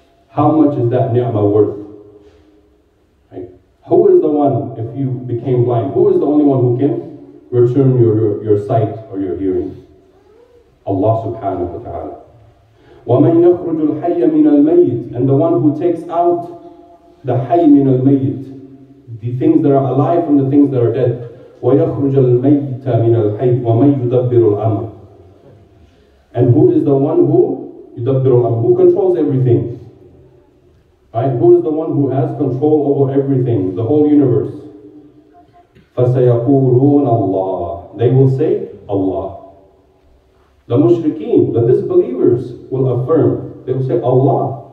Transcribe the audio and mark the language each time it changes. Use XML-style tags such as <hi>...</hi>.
<en>How much is that ni'mah worth? Right? Who is the one, if you became blind, who is the only one who can return your sight or your hearing?</en> <ar>Allah subhanahu wa ta'ala. وَمَنْ يَخْرُجُ الْحَيَّ مِنَ الْمَيِّتِ.</ar> <en>And the one who takes out the hay min al-mayyit, the things that are alive from the things that are dead.</en> <ar>ويخرج الميت من الحي ومن يدبر الأمر.</ar> <en>And who is the one who</en> <ar>يدبر الأمر,</ar> <en>who controls everything? Right? Who is the one who has control over everything, the whole universe?</en> <ar>فسيقولون الله.</ar> <en>They will say Allah. The mushrikeen, the disbelievers, will affirm. They will say Allah.</en>